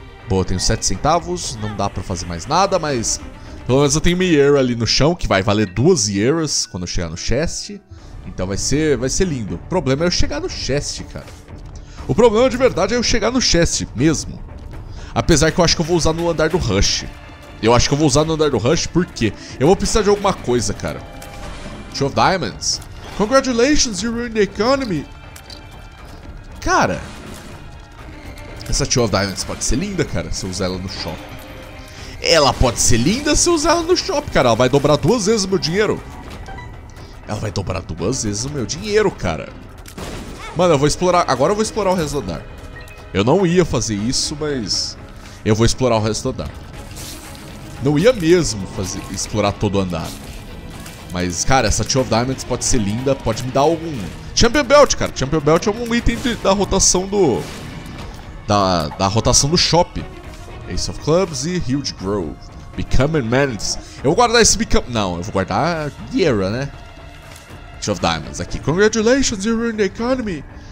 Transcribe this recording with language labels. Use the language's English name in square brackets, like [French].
[Portuguese] Boa, tenho 7 centavos, não dá pra fazer mais nada, mas pelo menos eu tenho uma Yera ali no chão, que vai valer 2 Yeras quando eu chegar no chest. Então vai ser lindo. O problema é eu chegar no chest, cara. O problema de verdade é eu chegar no chest mesmo. Apesar que eu acho que eu vou usar no andar do Rush. Eu acho que eu vou usar no andar do Rush porque eu vou precisar de alguma coisa, cara. [English] Two of Diamonds. Congratulations, you ruined the economy. [Portuguese] Cara... Essa Two of Diamonds pode ser linda, cara, se eu usar ela no shopping. Ela pode ser linda se eu usar ela no shopping, cara. Ela vai dobrar 2 vezes o meu dinheiro. Ela vai dobrar 2 vezes o meu dinheiro, cara. Mano, eu vou explorar... Agora eu vou explorar o resto do andar. Eu não ia fazer isso, mas... Eu vou explorar o resto do andar. Não ia mesmo explorar todo o andar. Mas, cara, essa Two of Diamonds pode ser linda. Pode me dar algum... Champion Belt, cara. Champion Belt é um item da rotação do... Da rotação do shopping. Ace of Clubs e Huge Grove. Becoming Menace. Eu vou guardar esse Become... Não, eu vou guardar Yera, né? Two of Diamonds aqui. [English] Congratulations, you ruined the economy.